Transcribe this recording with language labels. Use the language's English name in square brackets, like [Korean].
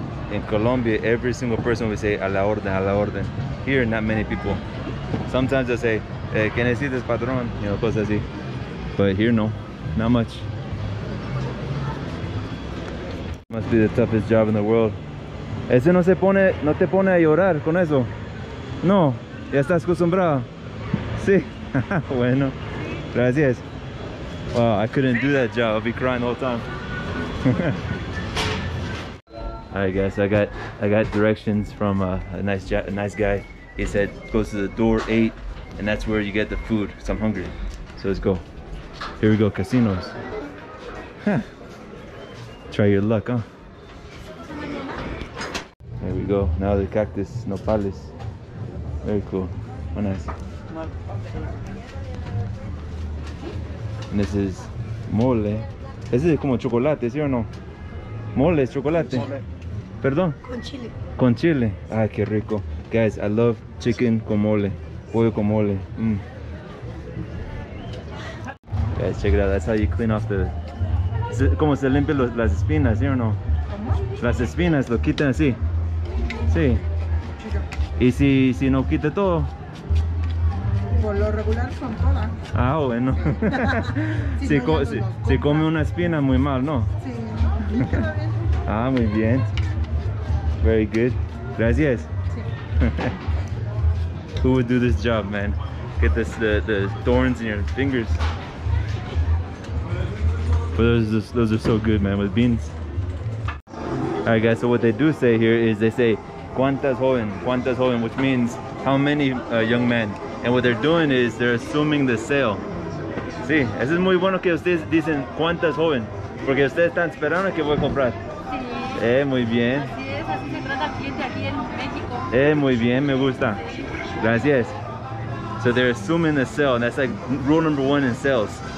[English] In Colombia, every single person would say, [Spanish] a la orden, a la orden. [English] Here, not many people. Sometimes they say, [Spanish] ¿qué necesitas, patrón? [English] You know, [Spanish] cosas así. [English] But here, no. Not much. Must be the toughest job in the world. [Spanish] Ese no se pone, no te pone a llorar con eso. No. Ya estás acostumbrado. Sí. Bueno. Gracias. [English] Wow, I couldn't do that job. I'll be crying the whole time. All right, guys. I got directions from a nice guy. He said, go to the door 8. And that's where you get the food. So I'm hungry. So let's go. Here we go, casinos. Try your luck, huh? There we go. Now the cactus, nopales. Very cool. Oh, nice. And this is mole. [Spanish] Ese es como chocolate, ¿sí o no? Mole, chocolate. Perdón. Con chile. Con chile. Ay, qué rico. [English] Guys, I love chicken [Spanish] con mole. Pollo con mole. [English] Guys, check it out. That's how you clean off the [Spanish] como se limpian las espinas, ¿sí o no? Las espinas lo quitan así. Sí. Y si no quita todo. Por lo regular son todas. Ah, bueno. si come una espina, muy mal, ¿no? Sí, ¿no? Ah, muy bien. [English] Very good. [Spanish] Gracias. Sí. [English] Who would do this job, man? Get this the thorns in your fingers. But those are so good, man, with beans. All right, guys, so what they do say here is they say, [Spanish] cuantas joven, [English] which means how many young men. And what they're doing is they're assuming the sale. [Spanish] Sí, eso es muy bueno que ustedes dicen cuantas joven, porque ustedes están esperando que voy a comprar. Sí. Muy bien. Así es, así se trata el cliente aquí en México. Muy bien, me gusta. Gracias. [English] So they're assuming the sale, and that's like rule number one in sales.